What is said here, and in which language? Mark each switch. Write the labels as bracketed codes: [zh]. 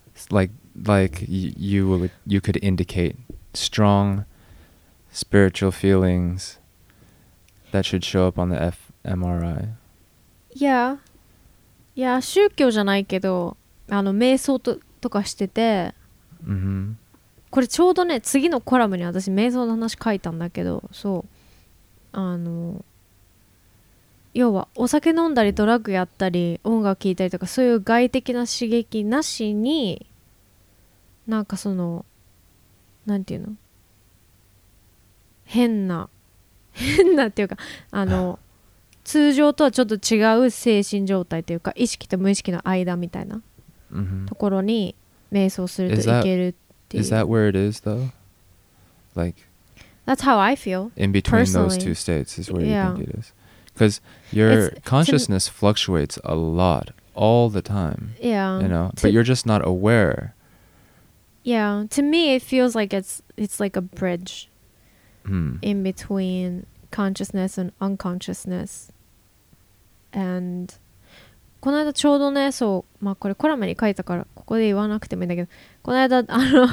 [en] Like you could indicate strong spiritual feelings that should show up on the fMRI? Yeah. Yeah, [ja] 宗教じゃないけど、あの瞑想とかしてて、 mm-hmm. これちょうどね、次のコラムに私瞑想の話書いたんだけど、そう、あの要はお酒飲んだりドラッグやったり音楽聴いたりとかそういう外的な刺激なしに、なんかそのなんていうの、変なっていうか、あの通常とはちょっと違う精神状態というか、意識と無意識の間みたいなところに瞑想するといけるっていう。 [en] Is that where it is though? Like that's how I feel. In between those two states is where you think it is. Because your consciousness fluctuates a lot all the time. Yeah. You know, but you're just not aware. Yeah. To me, it feels like it's like a bridge in between consciousness and unconsciousness. [ja] And この間ちょうどね、そう、まあこれコラムに書いたからここで言わなくてもいいんだけど、この間あの